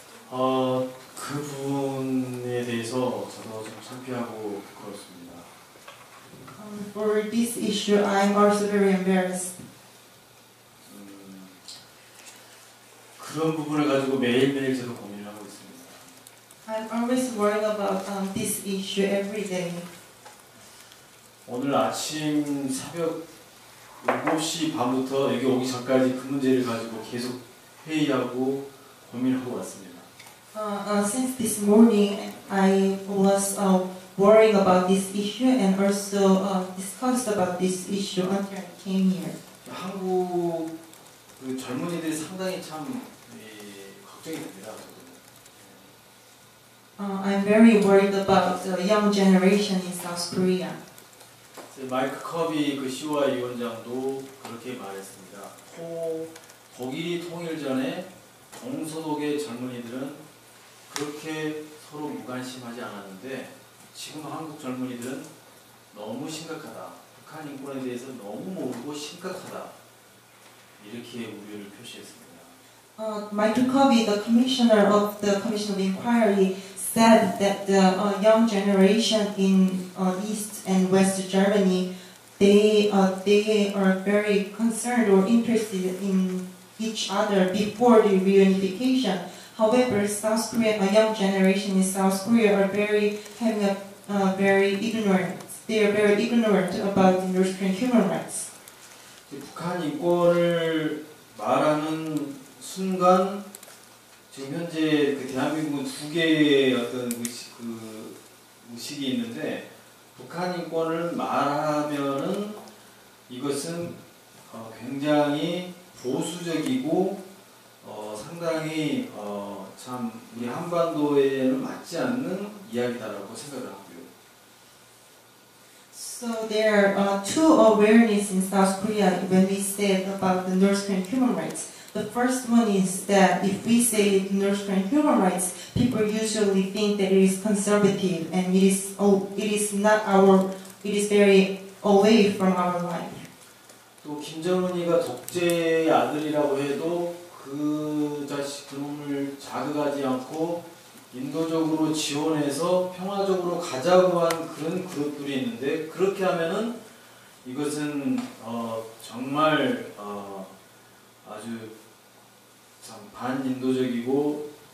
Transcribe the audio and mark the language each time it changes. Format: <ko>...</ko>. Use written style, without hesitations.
<ko>그 부분에 대해서 저도 좀 창피하고 부끄럽습니다.</ko> <en>For this issue, I'm also very embarrassed.</en> <ko>그런 부분을 가지고 매일매일 저도 고민을 하고 있습니다.</ko> <en>I'm always worried about this issue every day.</en> <ko>오늘 아침 새벽 7시 반부터 여기 오기 전까지 그 문제를 가지고 계속 회의하고 고민하고 왔습니다.</ko> <en>Since this morning, I was worrying about this issue and also discussed about this issue until I came here.</en> <ko>한국 그 젊은이들이 상당히 참 걱정이 됩니다.</ko> <en>I'm very worried about the young generation in South Korea.</en> <ko>마이크 커비 그 시와 위원장도 그렇게 말했습니다. 독일이 통일 전에 동서독의 젊은이들은 그렇게 서로 무관심하지 않았는데 지금 한국 젊은이들은 너무 심각하다. 북한 인권에 대해서 너무 모르고 심각하다. 이렇게 우려를 표시했습니다.</ko> <en>Michael Covey, the commissioner of the Commission of Inquiry, said that the young generation in East and West Germany, they are very concerned or interested in each other before the reunification. However, South Korea, a young generation in South Korea, are very having a very ignorant. They are very ignorant about North Korean human rights.</en> <ko>북한 인권을 말하는 순간 지금 현재 그 대한민국 두 개의 어떤 의식 그 의식이 있는데 북한 인권을 말하면은 이것은 굉장히 보수적이고 상당히 참 우리 한반도에는 맞지 않는 이야기다라고 생각을 하고요.</ko> <en>So there are two awareness in South Korea when we say about the North Korean human rights. The first one is that if we say North Korean human rights, people usually think that it is conservative and it is very away from our life.</en> <ko>또 김정은이가 독재의 아들이라고 해도 그 자식 그놈을 자극하지 않고 인도적으로 지원해서 평화적으로 가자고 한 그런 그룹들이 있는데 그렇게 하면은 이것은 정말 아주 참 반인도적이고</ko>